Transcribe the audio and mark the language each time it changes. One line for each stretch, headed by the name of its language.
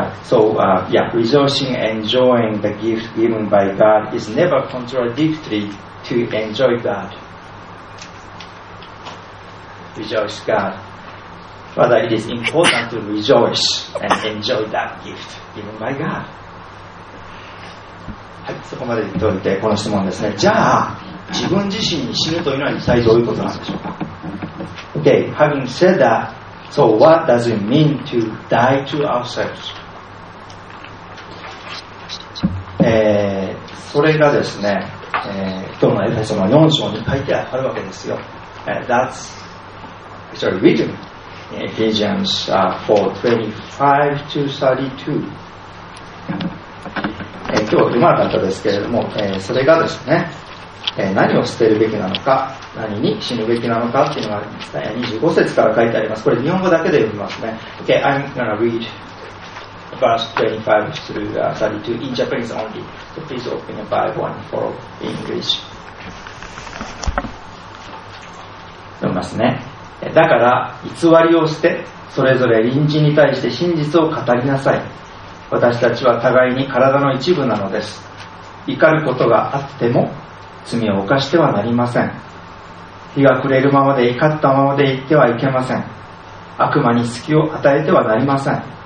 English: Rejoicing and enjoying the gift given by God is never contradictory to enjoy God. Rejoice God. Rather, it is important to rejoice and enjoy that gift given by God.
Japanese: はい、そこまで言っておいて、この質問ですね。じゃあ、自分自身に死ぬというのは一体どういうことなんでしょうか。
English: Okay, having said that, so what does it mean to die to ourselves?
Japanese: それがですね、今日のエフェソの4章に書いてあるわけですよ。
English: That's actually written in Ephesians 4:25-32.
Japanese: 今日は読まなかったですけれども、それがですね、何を捨てるべきなのか、何に死ぬべきなのかっていうのが25節から書いてあります。これ日本語だけで読みますね。
English: OK, I'm gonna read verse 25 through 32 in Japanese only, so please open your Bible and follow in English.
Japanese: 読みますね。だから偽りを捨て、それぞれ隣人に対して真実を語りなさい。私たちは互いに体の一部なのです。怒ることがあっても罪を犯してはなりません。日が暮れるままで怒ったままで行ってはいけません。悪魔に隙を与えてはなりません。